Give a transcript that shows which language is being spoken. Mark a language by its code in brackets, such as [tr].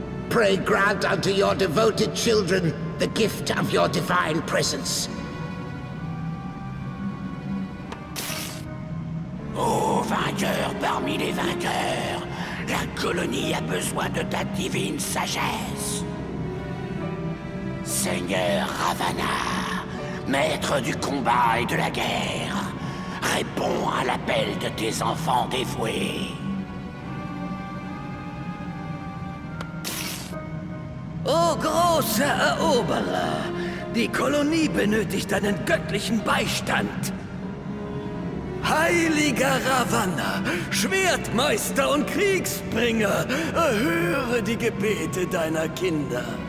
[en] Pray grant unto your devoted children the gift of your divine presence. [fr] Oh, vainqueur parmi les vainqueurs, la colonie a besoin de ta divine sagesse. Seigneur Ravana, maître du combat et de la guerre, réponds à l'appel de tes enfants dévoués. [de] Oh, großer Eroberer, die Kolonie benötigt deinen göttlichen Beistand. Heiliger Ravana, Schwertmeister und Kriegsbringer, erhöre die Gebete deiner Kinder.